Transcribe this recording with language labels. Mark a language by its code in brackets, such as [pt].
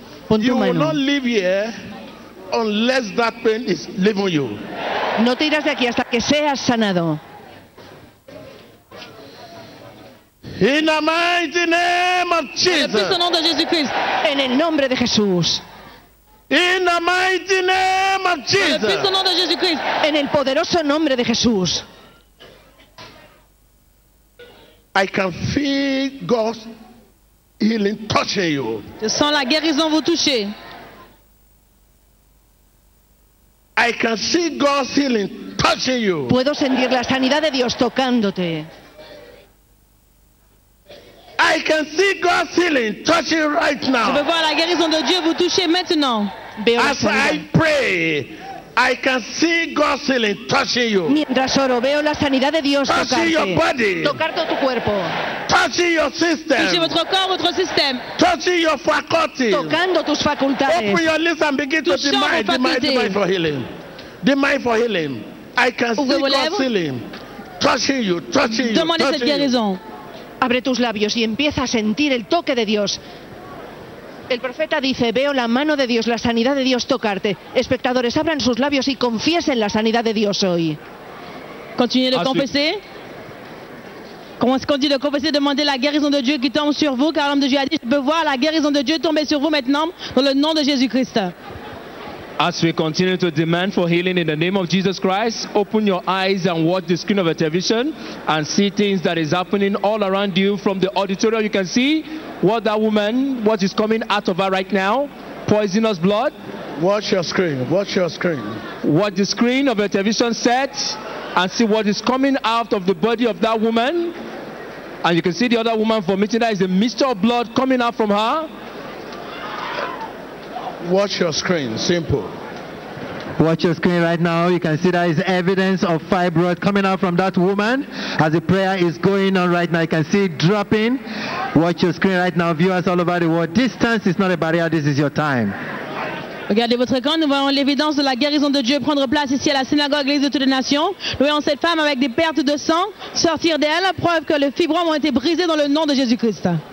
[en] You will not live here unless that pain is leaving you. [es] No te irás de aquí hasta que seas sanado. [en] In the mighty name of Jesus. [es] En el nombre de Jesucristo. En el nombre de Jesús. [en] In the mighty name of Jesus. [es] En el nombre de Jesucristo. En el poderoso nombre de Jesús. [en] I can feel God healing touching you. [fr] Je sens la guérison vous toucher. [en] I can see God's healing touching you. [es] Puedo sentir la sanidad de Dios tocándote. [en] I can see God's healing touching right now. [fr] Je veux voir la guérison de Dieu vous toucher maintenant. [en] As I pray, I can see God's healing touching you. [es] Mientras oro, veo la sanidad de Dios [en] touching [es] tocarte. [en] Your body. [es] Tocar todo tu cuerpo. [en] Touching your system. [fr] Touchez votre corps, votre système. [en] Touching your faculty. [es] Tocando tus facultades. [en] Open your lips and begin to demand for healing. Demand for healing. I can see God's healing. Touching you, touching you. [fr] Demandez cette guérison. [es] Abre tus labios y empieza a sentir el toque de Dios. El profeta dice, veo la mano de Dios, la sanidad de Dios tocarte. Espectadores, abran sus labios y confiesen la sanidad de Dios hoy. [fr] Continuez de confesser. Comment est-ce qu'on dit de confesser, demander la guérison de Dieu qui tombe sur vous, car l'homme de Dieu a dit, je peux voir la guérison de Dieu tomber sur vous maintenant, dans le nom de Jésus-Christ. [en] As we continue to demand for healing in the name of Jesus Christ, open your eyes and watch the screen of the television and see things that is happening all around you. From the auditorium, you can see what that woman, what is coming out of her right now, poisonous blood. Watch your screen. Watch the screen of the television set and see what is coming out of the body of that woman. And you can see the other woman vomiting. That is a mist of blood coming out from her. Watch your screen, simple. Watch your screen right now. You can see that is evidence of fibroid coming out from that woman as the prayer is going on right now. You can see it dropping. Watch your screen right now. Viewers all over the world, distance is not a barrier. This is your time. [fr] Regardez votre écran, nous voyons l'évidence de la guérison de Dieu prendre place ici à la synagogue Église de toutes les nations. Nous voyons cette femme avec des pertes de sang sortir d'elle, preuve que les fibromes ont été brisés dans le nom de Jésus-Christ.